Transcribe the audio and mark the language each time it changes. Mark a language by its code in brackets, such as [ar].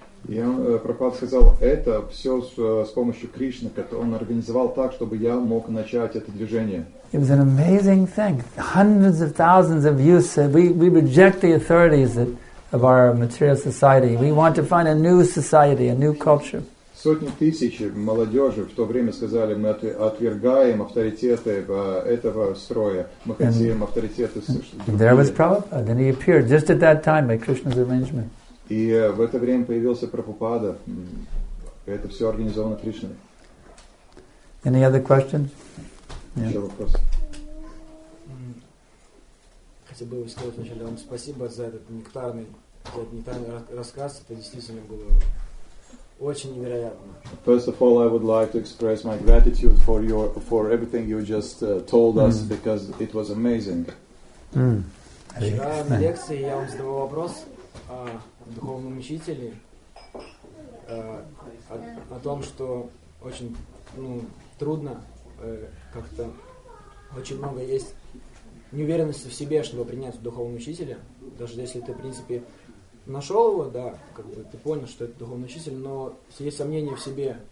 [ru] И Прабхупада сказал, это все с помощью Кришны, которое он организовал так, чтобы я мог начать это движение. [en] It was an amazing thing. Hundreds of thousands of youth said, we reject the authorities of our material society. We want to find a new society, a new culture. [ru] Сотни тысяч молодежи в то время сказали, мы отвергаем авторитеты этого строя. Мы хотим авторитеты. [en] There was Prabhupada. Then he appeared just at that time by Krishna's arrangement. [ru] И в это время появился Прабхупада. Это все организовано Кришной. [en] Any other questions? [ru] Yeah. Еще вопросы? Хотел бы сказать вначале вам спасибо за этот нектарный рассказ. Это действительно было очень невероятно. [en] First of all, I would like to express my gratitude for everything you just told us, because it was amazing. [ru] Вчера на лекции я вам задавал вопрос. о духовном учителе, о том, что очень трудно как-то очень много есть неуверенности в себе, чтобы принять духовного учителя, даже если ты, в принципе, нашел его, да, как бы ты понял, что это духовный учитель, но есть сомнения в себе.